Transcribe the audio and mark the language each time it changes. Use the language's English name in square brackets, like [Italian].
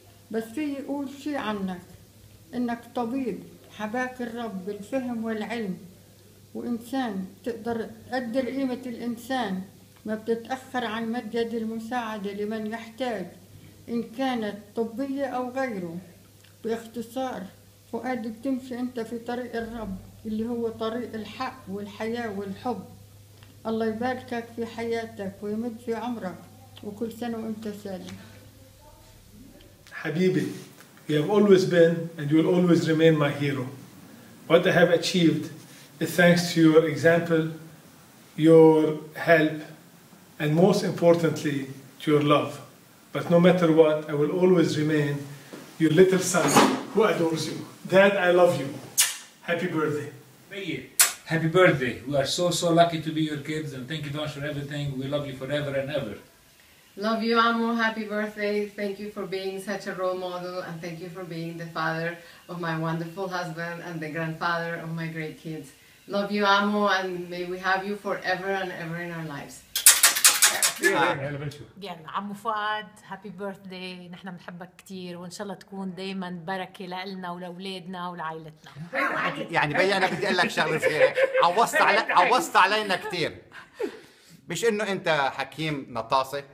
[Arabic] بس في يقول شي عنك إنك طبيب حباك الرب بالفهم والعلم، وإنسان تقدر تقدر قيمة الإنسان ما بتتأخر عن مدد المساعدة لمن يحتاج إن كانت طبية أو غيره. باختصار فؤاد بتمشي أنت في طريق الرب اللي هو طريق الحق والحياة والحب. الله يباركك في حياتك ويمد في عمرك وكل سنة وأنت سالم. [English] حبيبي you have always been and you will always remain my hero. What I have achieved is thanks to your example, your help, and most importantly, to your love. But no matter what, I will always remain your little son who adores you. Dad, I love you. Happy birthday. Thank you. Happy birthday. We are so, so lucky to be your kids, and thank you so much for everything. We love you forever and ever. Love you, Amo. Happy birthday. Thank you for being such a role model, and thank you for being the father of my wonderful husband and the grandfather of my great kids. Love you, Amo, and may we have you forever and ever in our lives. [Arabic] يلا عمو فؤاد [English] happy birthday, [Arabic] نحن بنحبك كثير وان شاء الله تكون دائما بركه لنا ولاولادنا ولعائلتنا. يعني بي انا بدي اقول لك شغله صغيره، عوضت علي عوضت علينا كثير. مش انه انت حكيم نطاسي